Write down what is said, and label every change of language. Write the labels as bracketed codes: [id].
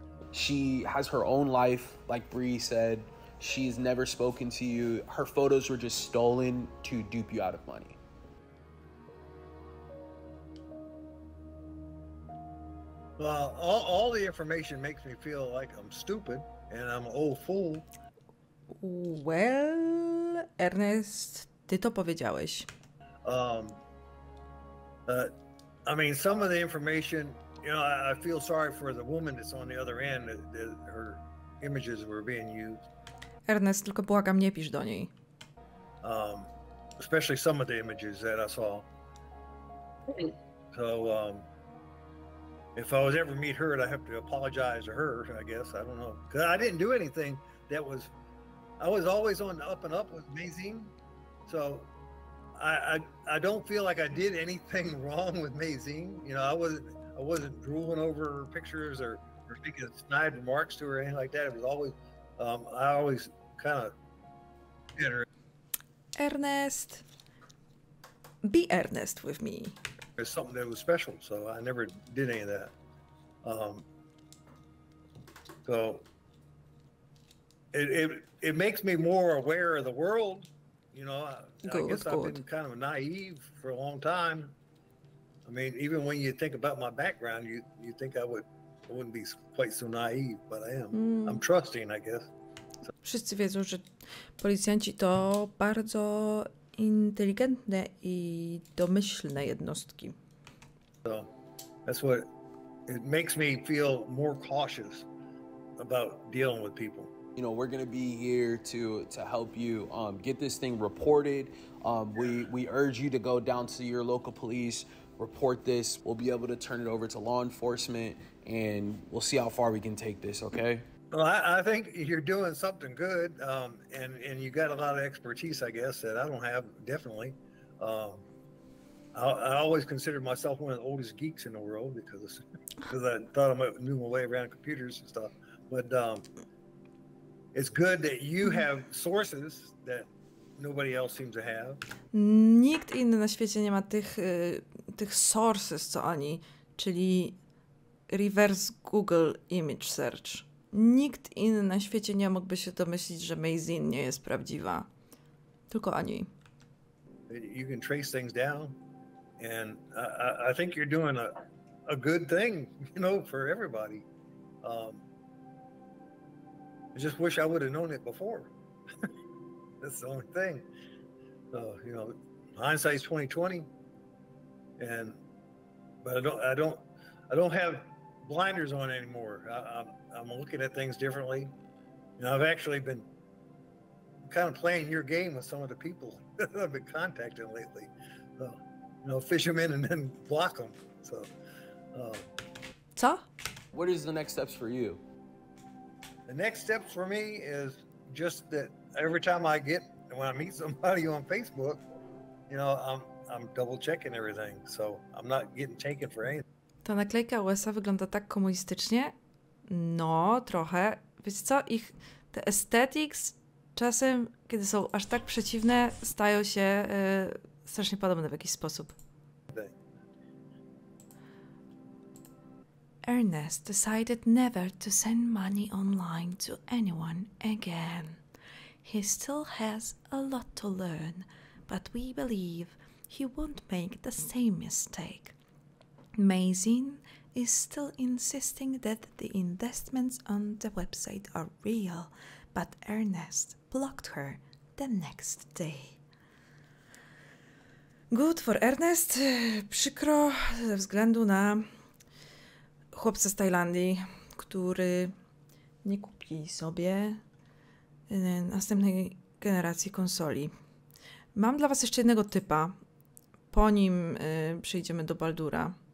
[en] She has her own life, like Bree said. She's never spoken to you. Her photos were just stolen to dupe you out of money. Well, all the information makes me feel like I'm stupid and I'm an old fool. Well, [pl] Ernest, ty to powiedziałeś. [en] I mean, some of the information, you know, I feel sorry for the woman that's on the other end, that her images were being used. [pl] Ernest, tylko błagam, nie pisz do niej. [en] Especially some of the images that I saw. So, if I was ever meet her, I'd have to apologize to her, I guess. I don't know. Because I didn't do anything that was... I was always on the up and up with Mazine, so I don't feel like I did anything wrong with Mazine. You know, I wasn't drooling over her pictures or making snide remarks to her or anything like that. It was always I always kind of hit her. Ernest, be Ernest with me. It's something that was special, so I never did any of that. So. It makes me more aware of the world, you know. I guess. I've been kind of naive for a long time. I mean, even when you think about my background, you think I wouldn't be quite so naive, but I am. I'm trusting, I guess. So. [pl] Wszyscy wiedzą, że policjanci to bardzo inteligentne i domyślne jednostki. [en] So that's what it makes me feel more cautious about dealing with people. You know, we're going to be here to help you get this thing reported. We urge you to go down to your local police, report this. We'll be able to turn it over to law enforcement, and we'll see how far we can take this, okay? Well, I think you're doing something good, and you got a lot of expertise, I guess, that I don't have, definitely. I always considered myself one of the oldest geeks in the world because I thought I knew my way around computers and stuff. But... it's good that you have sources that nobody else seems to have. [pl] Nikt inny na świecie nie ma tych sources, co oni, czyli [en] reverse Google image search. [pl] Nikt inny na świecie nie mógłby się domyślić, że Mazine nie jest prawdziwa. Tylko oni. [en] you can trace things down. And I think you're doing a good thing, you know, for everybody. I just wish I would have known it before. That's the only thing. So, you know, hindsight's 20/20. And but I don't have blinders on anymore. I'm looking at things differently. And I've actually been kind of playing your game with some of the people that I've been contacting lately. So, you know, fish them in and then block them. So, what is the next steps for you? The next step for me is just that every time I get, when I meet somebody on Facebook, you know, I'm double checking everything. So I'm not getting taken for anything. [pl] Ta naklejka USA wygląda tak komunistycznie. No, trochę. Wiecie co? Ich te aesthetics czasem, kiedy są aż tak przeciwne, stają się strasznie podobne w jakiś sposób. [en] Ernest decided never to send money online to anyone again. He still has a lot to learn, but we believe he won't make the same mistake. Maisin is still insisting that the investments on the website are real, but Ernest blocked her the next day. Good for Ernest. [pl] Przykro ze względu na chłopca z Tajlandii, który nie kupi sobie następnej generacji konsoli. Mam dla was jeszcze jednego typa. Po nim przejdziemy do Baldura.